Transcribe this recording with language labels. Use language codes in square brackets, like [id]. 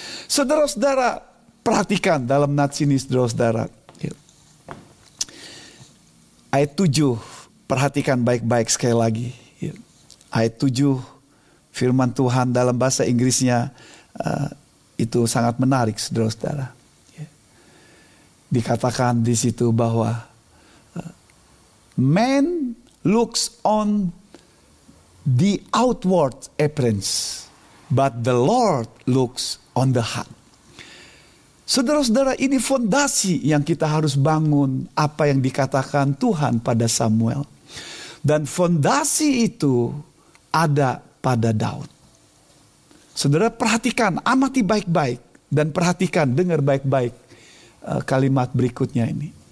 [id] Saudara-saudara, perhatikan dalam nats ini saudara-saudara. Ayat 7, perhatikan baik-baik sekali lagi. Ayat 7, firman Tuhan dalam bahasa Inggrisnya itu sangat menarik saudara-saudara. Dikatakan di situ bahwa [en] man looks on the outward appearance, but the Lord looks on the heart. [id] Saudara-saudara, ini fondasi yang kita harus bangun apa yang dikatakan Tuhan pada Samuel. Dan fondasi itu ada pada Daud. Saudara, perhatikan, amati baik-baik. Dan perhatikan, dengar baik-baik kalimat berikutnya ini.